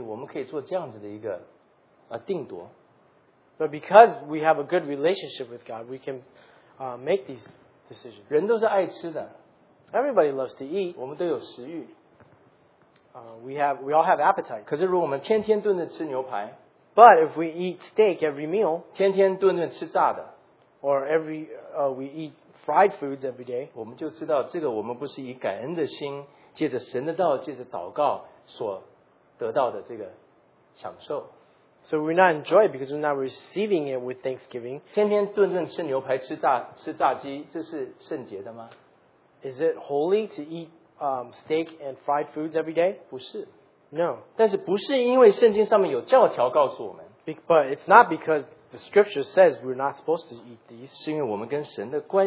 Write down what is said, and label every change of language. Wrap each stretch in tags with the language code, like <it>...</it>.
<zh>但是这是因为我们已经跟神的关系已经非常非常的亲密，我们可以做这样子的一个定夺。</zh> <en>But because we have a good relationship with God, we can make these decisions.</en> <zh>人都是爱吃的,</zh> <en>everybody loves to eat.</en> <zh>我们都有食欲,</zh> <en>we all have appetite.</en> <zh>可是如果我们天天顿顿吃牛排,</zh> <en>but if we eat steak every meal,</en> <zh>天天顿顿吃炸的,</zh> <en>or every we eat fried foods every day,</en> <zh>我们就知道这个我们不是以感恩的心借着神的道借着祷告所得到的这个享受。</zh> <en>So we're not enjoying it because we're not receiving it with thanksgiving.</en> <zh>天天顿顿吃牛排吃炸鸡，这是圣洁的吗？</zh> <en>Is it holy to eat steak and fried foods every day?</en> <zh>不是。</zh> <en>No.</en> <zh>但是不是因为圣经上面有教条告诉我们？</zh> <en>But it's not because the scripture says we're not supposed to eat these.</en>